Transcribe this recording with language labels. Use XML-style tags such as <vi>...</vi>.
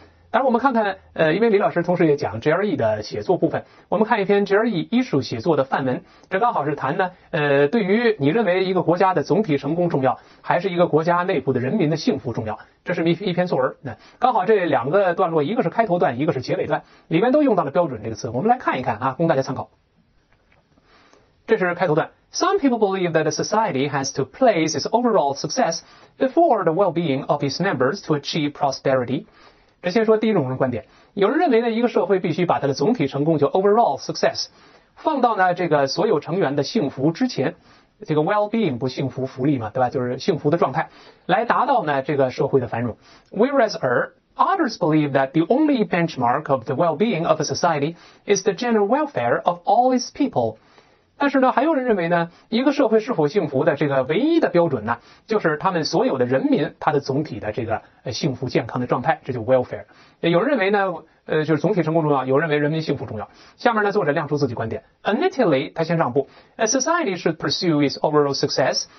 <zh>当然，我们看看，因为李老师同时也讲 GRE 的写作部分，我们看一篇 GRE 艺术写作的范文，这刚好是谈呢，对于你认为一个国家的总体成功重要，还是一个国家内部的人民的幸福重要？这是一篇作文，那刚好这两个段落，一个是开头段，一个是结尾段，里面都用到了"标准"这个词，我们来看一看啊，供大家参考。这是开头段。</zh> <en>Some people believe that a society has to place its overall success before the well-being of its members to achieve prosperity.</en> <zh>这先说第一种人观点，有人认为呢，一个社会必须把它的总体成功，就</zh> <en>overall success，</en> <zh>放到呢这个所有成员的幸福之前，这个</zh> <en>well being</en> <zh>不幸福福利嘛，对吧？就是幸福的状态，来达到呢这个社会的繁荣。</zh> <en>Whereas others believe that the only benchmark of the well being of a society is the general welfare of all its people。</en> <zh>但是呢，还有人认为呢，一个社会是否幸福的这个唯一的标准呢，就是他们所有的人民他的总体的这个幸福健康的状态，这就 welfare。有人认为呢，就是总体成功重要，有人认为人民幸福重要。下面呢，作者亮出自己观点。</zh> <en>Initially，</en> <zh>他先让步。</zh> <en>A society should pursue its overall success。</en>